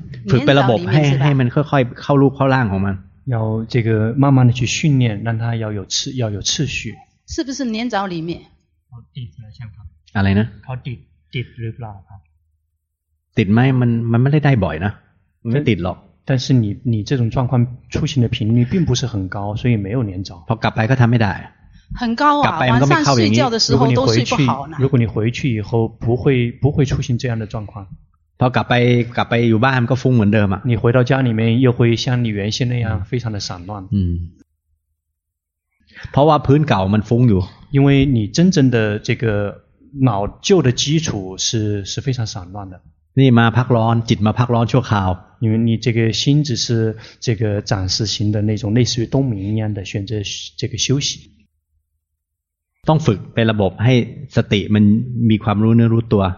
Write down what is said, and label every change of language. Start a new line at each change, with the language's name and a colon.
Thai: ฝึกเป็นระบบให้มันค่อยๆเข้ารูปเข้าร่างของมัน
Chinese: 要这个慢慢的去训练让它要有次序是不是粘着里面
Thai: ติดใช่ไหม ครับอะไรนะ เขาติดหรือเปล่าครับ ติดไหมมันไม่ได้ได้บ่อยนะไม่ติดหรอก
Chinese: 但是你这种状况出行的频率并不是很高所以没有粘着
Thai: พอกลับไปก็ทำไม่ได้
Chinese: 很高啊晚上睡觉的时候都睡不好呢如果你回去以后不会出现这样的状况
Thai: พอกลับไปอยู่บ้านก็ฟุ้งเหมือนเดิมอ่ะ
Chinese: 你回到家里面又会像你原先那样非常的散乱
Thai: เพราะว่าพื้นเก่ามันฟุ้งอยู่
Chinese: 因为你真正的这个老旧的基础是非常散乱的
Thai: นี่มาพักร้อนจิตมาพักร้อนชั่วคราว
Chinese: 因为你这个心只是这个暂时型的那种类似于冬眠一样的选择这个休息
Thai: ต้องฝึกเป็นระบบให้สติมันมีความรู้เนื้อรู้ตัว